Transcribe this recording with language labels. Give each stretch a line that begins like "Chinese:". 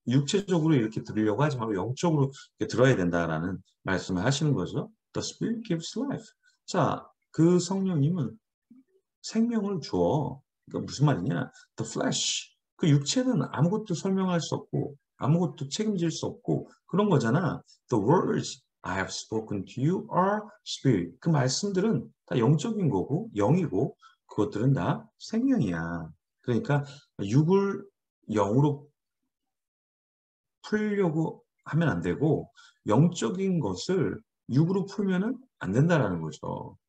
Korean: 육체적으로 이렇게 들으려고 하지 말고 영적으로 이렇게 들어야 된다라는 말씀을 하시는 거죠.
English: The Spirit gives life.
Korean: 자, 그 성령님은 생명을 주어. 그러니까 무슨 말이냐?
English: The flesh.
Korean: 그 육체는 아무것도 설명할 수 없고, 아무것도 책임질 수 없고, 그런 거잖아.
English: The words I have spoken to you are spirit.
Korean: 그 말씀들은 다 영적인 거고, 영이고, 그것들은 다 생명이야. 그러니까, 육을 영으로 풀려고 하면 안 되고, 영적인 것을 육으로 풀면은 안 된다라는 거죠.